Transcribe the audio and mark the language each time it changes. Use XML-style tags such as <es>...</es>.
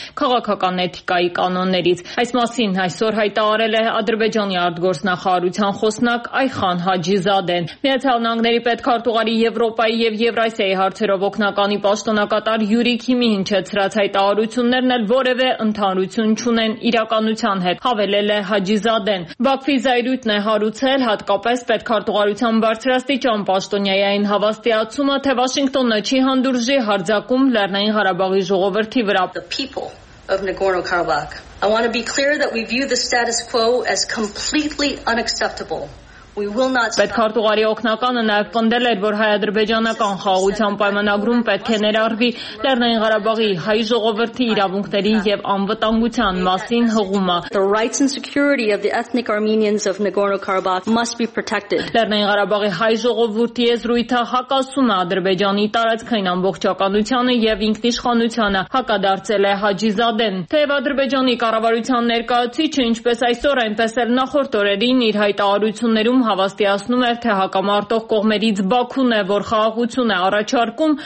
<hy>քաղաքական էթիկայի կանոններից։ Այս մասին այսօր հայտարարել է Ադրբեջանի արտգործնախարարության խոսնակ Այխան Հաջիզադեն։ Միացյալ Նահանգների պետքարտուղարի Եվրոպայի և Եվրասիայի հարցերով օգնականի պաշտոնակատար Յուրի Քիմի հնչեցրած հայտարարություններն էլ որևէ ընդհանրություն չունեն իրականության հետ, հավելել է Հաջիզադեն։ Բաքվի զայրույթն է հարուցել հատկապես պետքարտուղարության բարձրաստիճան պաշտոնյայային հավաստիացումը, թե Վաշինգտոնը չի հանդուրժի հարձակում Լեռնային Ղարաբաղի ժողովրդի վրա։</hy> <en>I want to be clear that we view the status quo as completely unacceptable.</en> <hy>Պետքարտուղարի օգնականը նաև պնդել էր, որ հայ-ադրբեջանական խաղաղության պայմանագրում պետք է ներառվի Լեռնային Ղարաբաղի հայ ժողովրդի իրավունքների եւ անվտանգության մասին հղումը։</hy> <en>The rights and security of the ethnic Armenians of Nagorno-Karabakh must be protected.</en> <hy>Լեռնային Ղարաբաղի հայ ժողովրդի եզրույթը հակասում է Ադրբեջանի տարածքային ամբողջականությանը եւ ինքնիշխանությանը, հակադարձել է Հաջիզադեն։ Թեև Ադրբեջանի կառավարության ներկայացուցիչը, ինչպես այսօր, այնպես էլ նախորդ օրերին իր հայտարարությունը հավաստիացնում էր, թե հակամարտող կողմերից Բաքուն է, որ խաղաղություն է առաջարկում,</hy>